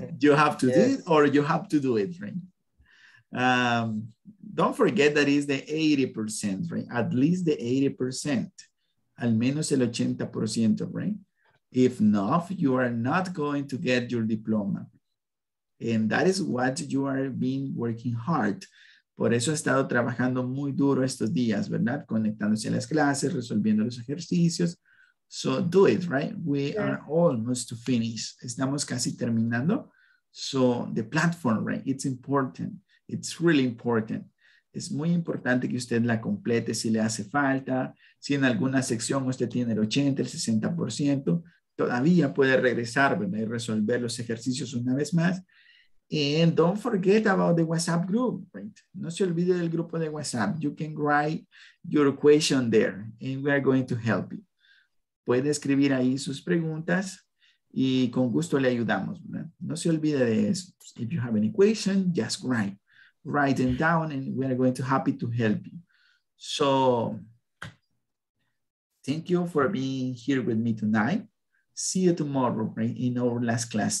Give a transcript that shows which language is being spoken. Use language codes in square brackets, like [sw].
[en] You have to do it or you have to do it, right? Don't forget that is the 80%, right? At least the 80%. [es] Al menos el 80%, [en] right? If not, you are not going to get your diploma. And that is what you are being working hard. [es] Por eso he estado trabajando muy duro estos días, ¿verdad? Conectándose a las clases, resolviendo los ejercicios. [en] So do it, right? We are almost to finish. [es] Estamos casi terminando. [en] So the platform, right? It's important. It's really important. [es] Es muy importante que usted la complete si le hace falta. Si en alguna sección usted tiene el 80, el 60%, todavía puede regresar, ¿verdad? Y resolver los ejercicios una vez más. [en] And don't forget about the WhatsApp group, right? [es] No se olvide del grupo de WhatsApp. [en] You can write your question there and we are going to help you. [es] Puede escribir ahí sus preguntas y con gusto le ayudamos, ¿verdad? No se olvide de eso. [en] If you have any question, just write. Write them down and we are going to happy to help you. So, thank you for being here with me tonight. See you tomorrow, right, in our last class.